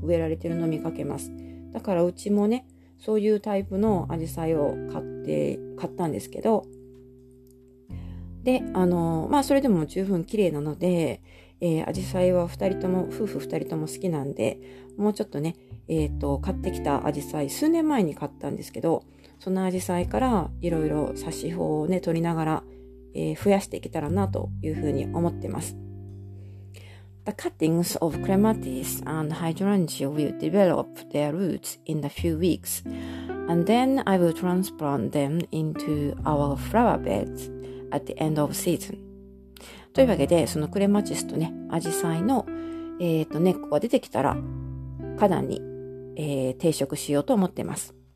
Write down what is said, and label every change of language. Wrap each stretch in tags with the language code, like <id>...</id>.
<ja>植えられてるのを見かけます。だからうちもねそういうタイプのアジサイを買ったんですけど、でそれでも十分綺麗なので、アジサイは夫婦2人とも好きなんで、もうちょっとね買ってきたアジサイ、数年前に買ったんですけど、そのアジサイからいろいろ挿し穂をね取りながら、増やしていけたらなというふうに思ってます。</ja> <en>The cuttings of clematis and hydrangea will develop their roots in a few weeks, and then I will transplant them into our flower beds at the end of season.</en> <ja>というわけで、そのクレマチスとね、アジサイの、根っこが出てきたら、花壇に、定植しようと思っています。</ja>